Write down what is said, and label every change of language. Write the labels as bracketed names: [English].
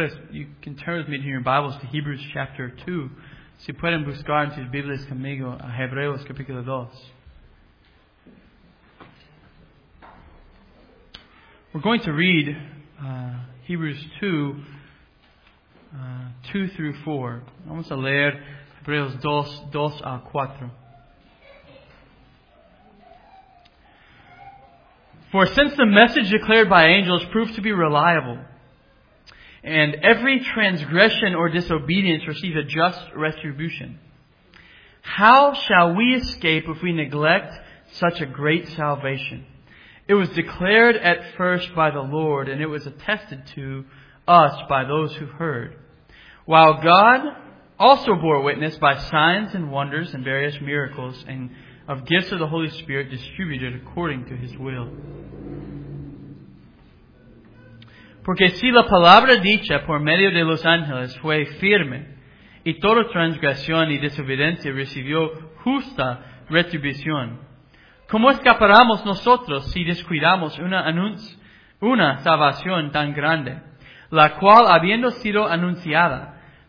[English] You can turn with me in your Bibles to Hebrews chapter 2. [Spanish] Si pueden buscar en sus Biblias conmigo a Hebreos capítulo 2. [English] We're going to read Hebrews 2 through 4. [Spanish] Vamos a leer Hebreos 2 a 4. [English] For since the message declared by angels proved to be reliable, and every transgression or disobedience received a just retribution, how shall we escape if we neglect such a great salvation? It was declared at first by the Lord, and it was attested to us by those who heard. While God also bore witness by signs and wonders and various miracles and of gifts of the Holy Spirit distributed according to His will. [Spanish] Porque si la palabra dicha por medio de los ángeles fue firme, y toda transgresión y desobediencia recibió justa retribución, ¿cómo escaparamos nosotros si descuidamos una salvación tan grande, la cual habiendo sido anunciada